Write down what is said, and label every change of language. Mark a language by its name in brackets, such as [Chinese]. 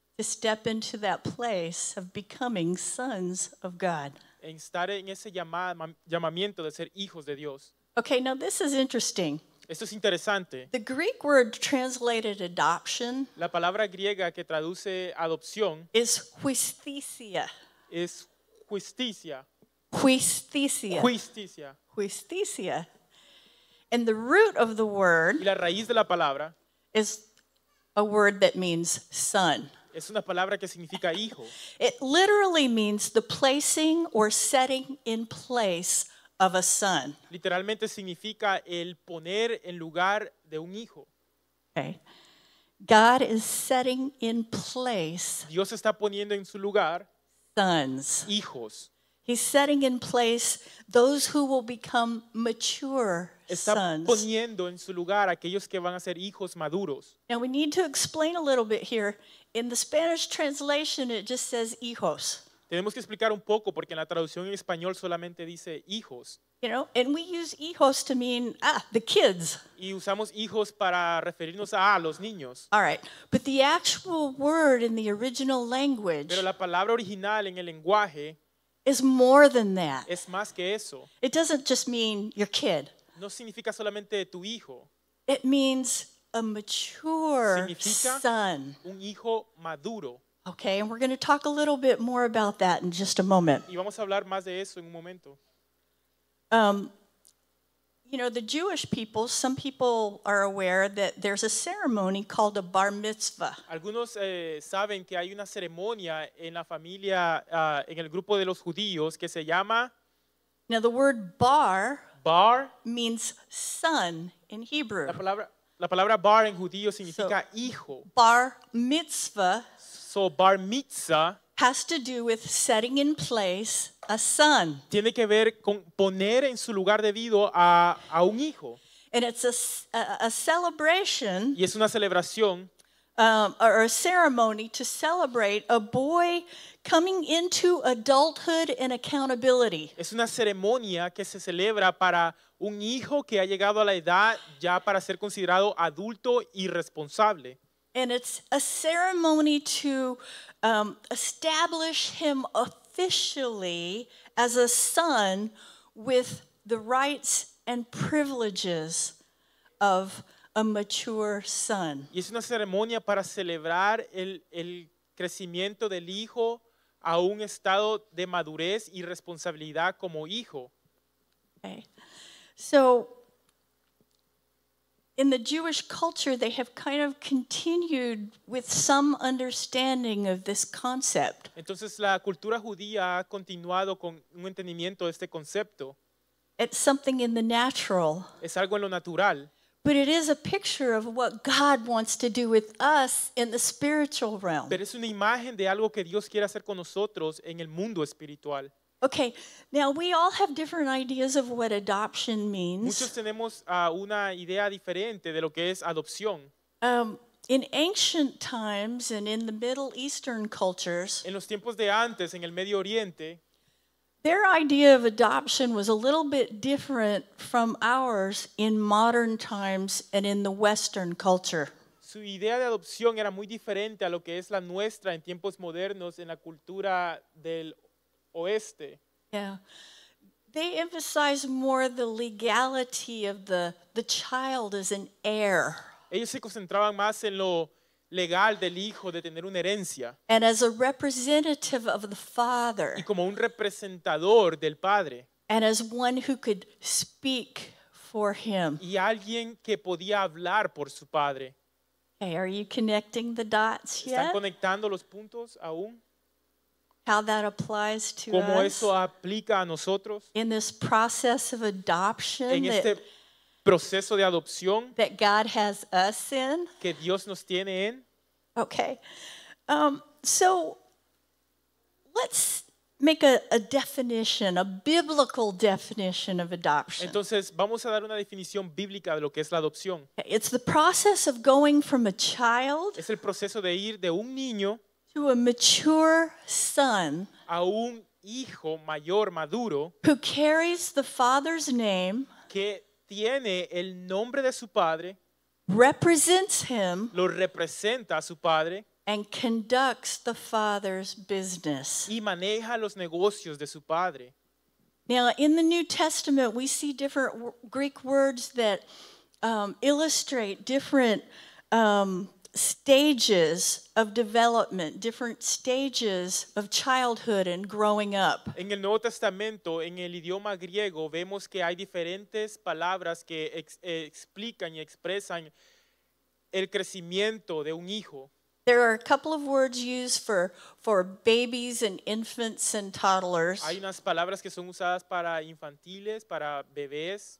[English] to step into that place of becoming sons of God. [Spanish] En estar en ese llamamiento de ser hijos de Dios. [English] Okay, now this is interesting. [Spanish] Esto es interesante. [English] The Greek word translated adoption, [Spanish] la palabra griega que traduce adopción, [English] is justicia. [Spanish] Es justicia. [English] Justicia. [Spanish] Justicia. [English] Justicia. And the root of the word, [Spanish] y la raíz de la palabra, [English] is a word that means son. [Spanish] Es una palabra que significa hijo. [English] It literally means the placing or setting in place of a son. [Spanish] Literalmente significa el poner en lugar de un hijo. [English] Okay. God is setting in place. [Spanish] Dios está poniendo en su lugar [English] sons. [Spanish] Hijos. [English] He's setting in place those who will become mature [Spanish] está [English] sons. [Spanish] Está poniendo en su lugar aquellos que van a ser hijos maduros. [English] Now we need to explain a little bit here. In the Spanish translation it just says hijos. [Spanish] Tenemos que explicar un poco porque en la traducción en español solamente dice hijos. [English] You know, and we use hijos to mean, the kids. [Spanish] Y usamos hijos para referirnos a los niños. [English] All right, but the actual word in the original language, [Spanish] pero la palabra original en el lenguaje, [English] is more than that. [Spanish] Es más que eso. [English] It doesn't just mean your kid. [Spanish] No significa solamente tu hijo. [English] It means a mature [Spanish] significa [English] son. [Spanish] Un hijo maduro. [English] Okay, and we're going to talk a little bit more about that in just a moment. [Spanish] Y vamos a hablar más de eso en un momento. [English] You know, the Jewish people, some people are aware that there's a ceremony called a bar mitzvah. [Spanish] Algunos saben que hay una ceremonia en la familia, en el grupo de los judíos, que se llama... [English] Now, the word bar, [Spanish] bar [English] means son in Hebrew. [Spanish] La palabra bar en judío significa [English] so, [Spanish] hijo. Bar mitzvah. [English] So bar mitzvah has to do with setting in place a son. [Spanish] Tiene que ver con poner en su lugar debido a un hijo. [English] And it's a celebration. [Spanish] Y es una celebración. [English] Or a ceremony to celebrate a boy coming into adulthood and accountability. [Spanish] Es una ceremonia que se celebra para un hijo que ha llegado a la edad ya para ser considerado adulto y responsable. [English] And it's a ceremony to establish him officially as a son with the rights and privileges of a mature son. [Spanish] Y es una ceremonia para celebrar el crecimiento del hijo a un estado de madurez y responsabilidad como hijo. [English] Okay. So In the Jewish culture, they have kind of continued with some understanding of this concept. [Spanish] Entonces, la cultura judía ha continuado con un entendimiento de este concepto. [English] It's something in the natural. [Spanish] Es algo en lo natural. [English] But it is a picture of what God wants to do with us in the spiritual realm. [Spanish] Pero es una imagen de algo que Dios quiere hacer con nosotros en el mundo espiritual. [English] Okay, now we all have different ideas of what adoption means. [Spanish] Muchos tenemos una idea diferente de lo que es adopción. [English] In ancient times and in the Middle Eastern cultures, [Spanish] en los tiempos de antes, en el Medio Oriente, [English] their idea of adoption was a little bit different from ours in modern times and in the Western culture. [Spanish] Su idea de adopción era muy diferente a lo que es la nuestra en tiempos modernos en la cultura del Oeste. [English] Yeah, they emphasize more the legality of the child as an heir. [Spanish] Ellos se concentraban más en lo legal del hijo de tener una herencia. [English] And as a representative of the father. [Spanish] Y como un representador del padre. [English] And as one who could speak for him. [Spanish] Y alguien que podía hablar por su padre. [English] Hey, are you connecting the dots yet? [Spanish] ¿Están conectando los puntos aún? [English] How that applies to [Spanish] ¿cómo [English] us [Spanish] eso aplica a nosotros? [English] In this process of adoption [Spanish] en este proceso de adopción [English] that God has us in. [Spanish] Que Dios nos tiene en. [English] Okay, so let's make a definition, a biblical definition of adoption. [Spanish] Entonces, vamos a dar una definición bíblica de lo que es la adopción. [English] It's the process of going from a child. [Spanish] Es el proceso de ir de un niño. [English] To a mature son, [Spanish] a un hijo mayor, maduro, [English] who carries the father's name, [Spanish] que tiene el nombre de su padre, [English] represents him, [Spanish] lo representa a su padre, [English] and conducts the father's business, [Spanish] y maneja los negocios de su padre. [English] Now, in the New Testament, we see different Greek words that illustrate different stages of development, different stages of childhood and growing up. [Spanish] En el Nuevo Testamento, en el idioma griego, vemos que hay diferentes palabras que explican y expresan el crecimiento de un hijo. [English] There are a couple of words used for babies and infants and toddlers. [Spanish] Hay unas palabras que son usadas para infantiles, para bebés.